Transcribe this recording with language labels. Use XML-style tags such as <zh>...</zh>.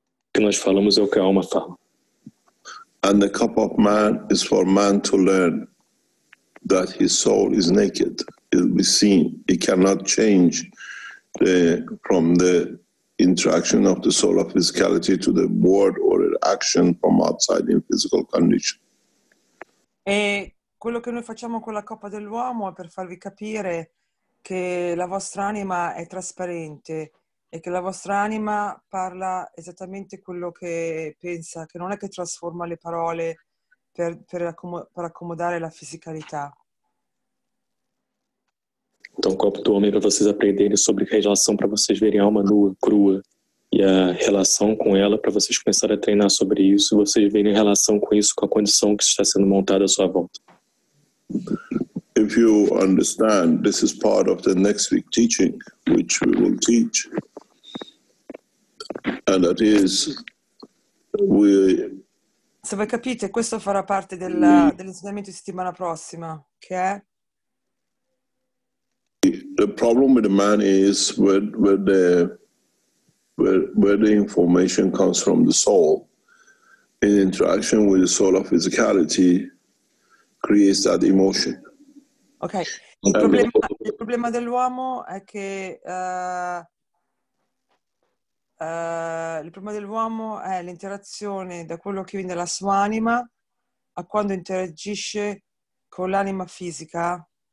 <it>Che noi parliamo è quello che l'anima fa.</it> <en>And the cup of man is for man to learn that his soul is naked. It will be seen. It cannot change from the interaction of the soul of physicality to the world or an action from outside in physical condition.</en> <it>E quello che noi facciamo con la coppa dell'uomo è per farvi capire che la vostra anima è trasparente e che la vostra anima parla esattamente quello che pensa, che non è che trasforma le parole per accomodare la fisicalità.</it> <pt>Então, o copo do homem é para vocês aprenderem sobre relação, para vocês verem a alma nua, crua, e a relação com ela, para vocês começarem a treinar sobre isso, e vocês verem relação com isso, com a condição que está sendo montada à sua volta.</pt> <en>If you understand, this is part of the next week teaching, which we will teach, and that is, we...</en> <it>Se voi capite, questo farà parte della,</it> <en>we...</en> <it>dell'insegnamento di settimana prossima, che è...</it> <en>The problem with the man is where the information comes from the soul in interaction with the soul of physicality creates that emotion. Okay.</en> <it>Il problema dell'uomo è che il problema dell'uomo è l'interazione da quello che viene dalla sua anima a quando interagisce con l'anima fisica.</it>